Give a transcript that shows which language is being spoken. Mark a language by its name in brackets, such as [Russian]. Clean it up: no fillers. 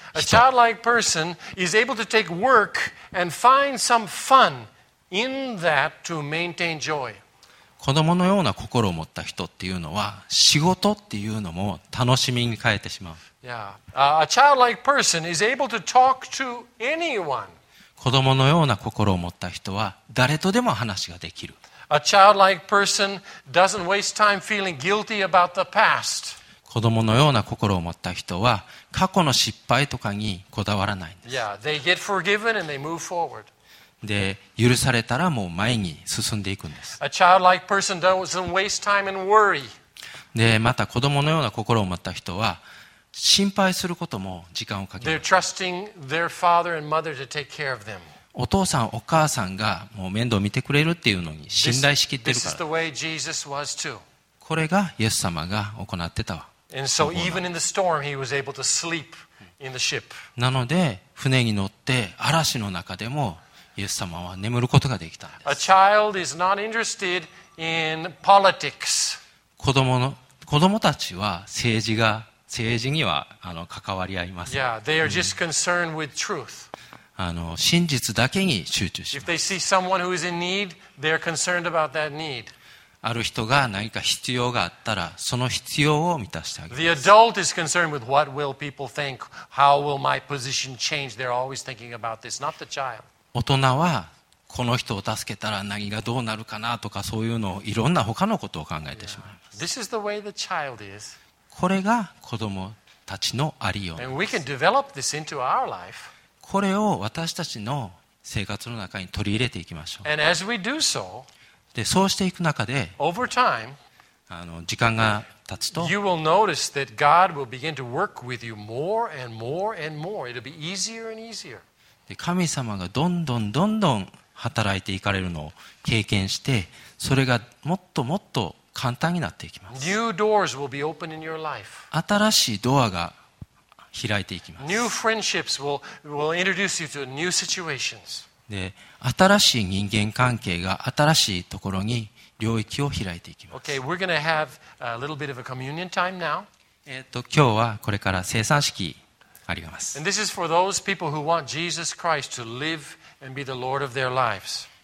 [English] A childlike person is able to take work and find some fun in that to maintain joy. [Japanese] 子供のような心を持った人っていうのは仕事っていうのも楽しみに変えてしまう。 [English] A childlike person is able to talk to anyone. [Japanese] 子供のような心を持った人は誰とでも話ができる。 [English] A childlike person doesn't waste time feeling guilty about the past. [Japanese] 子供のような心を持った人は過去の失敗とかにこだわらないんです。 [English] Yeah, they get forgiven and they move forward. [Japanese] で許されたらもう前に進んでいくんです。 [English] A childlike person doesn't waste time and worry. [Japanese] でまた子供のような心を持った人は心配することも時間をかけない。 [English] They're trusting their father and mother to take care of them. [Japanese] お父さんお母さんがもう面倒を見てくれるっていうのに信頼しきってるから。 [English] This is the way Jesus was too. [Japanese] これがイエス様が行ってた。 [English] And so even in the storm he was able to sleep in the ship. [Japanese] なので船に乗って嵐の中でもイエス様は眠ることができたんです。 [English] A child is not interested in politics. [Japanese] 子供たちは政治には関わり合いません。 [English] Yeah, they are just concerned with truth. [Japanese] 真実だけに集中します。 [English] If they see someone who is in need, they are concerned about that need. [Japanese] ある人が何か必要があったらその必要を満たしてあげます。 [English] The adult is concerned with what will people think, how will my position change. They're always thinking about this, not the child. [Japanese] 大人はこの人を助けたら何がどうなるかなとかそういうのをいろんな他のことを考えてしまいます。 [English] Yeah. This is the way the child is. [Japanese] これが子供たちのありようです。 [English] And we can develop this into our life. [Japanese] これを私たちの生活の中に取り入れていきましょう。 [English] And as we do so, [Japanese] でそうしていく中で [English] over time, [Japanese] 時間が経つと [English] you will notice that God will begin to work with you more and more and more. It'll be easier and easier. [Japanese] 神様がどんどんどんどん働いていかれるのを経験してそれがもっともっと簡単になっていきます。 [English] New doors will be open in your life. [Japanese] 新しいドアが開いていきます。 [English] New friendships will introduce you to new situations. [Japanese] で新しい人間関係が新しいところに領域を開いていきます。 [English] Okay, we're going to have a little bit of a communion time now. [Japanese] 今日はこれから聖餐式 [English] And this is for those people who want Jesus Christ to live and be the Lord of their lives.